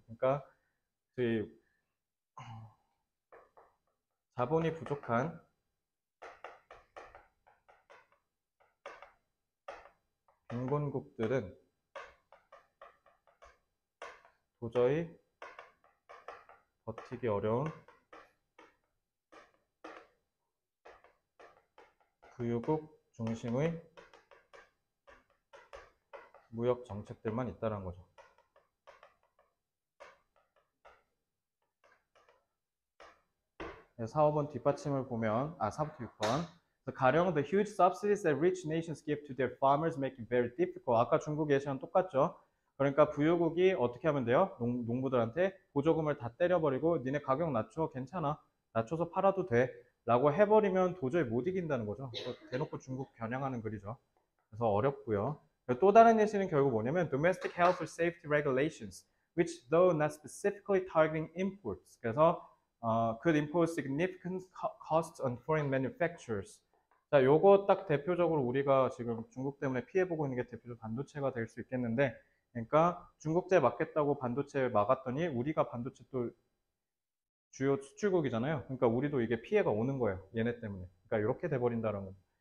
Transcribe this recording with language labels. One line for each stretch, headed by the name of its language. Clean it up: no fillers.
Korean: 그러니까, 자본이 부족한 빈곤국들은 도저히 버티기 어려운 부유국 중심의 무역 정책들만 있다는 거죠. 4번 뒷받침을 보면, 아, 4번 뒷번. 가령
English: the huge subsidies that rich nations give to their farmers make it very difficult.
Korean: 아까 중국 예시랑 똑같죠? 그러니까 부유국이 어떻게 하면 돼요? 농부들한테 보조금을 다 때려버리고 니네 가격 낮춰 괜찮아 낮춰서 팔아도 돼라고 해버리면 도저히 못 이긴다는 거죠. 대놓고 중국 겨냥하는 그리죠. 그래서 어렵고요. 또 다른 예시는 결국 뭐냐면
English: domestic health or safety regulations, which though not specifically targeting imports,
Korean: 그래서
English: could impose significant costs on foreign manufacturers.
Korean: 자, 요거 딱 대표적으로 우리가 지금 중국 때문에 피해보고 있는 게 대표적으로 반도체가 될수 있겠는데, 그러니까 중국제 맞겠다고 반도체 막았더니 우리가 반도체 또 주요 수출국이잖아요. 그러니까 우리도 이게 피해가 오는 거예요. 얘네 때문에. 그러니까 이렇게 돼버린다는 거.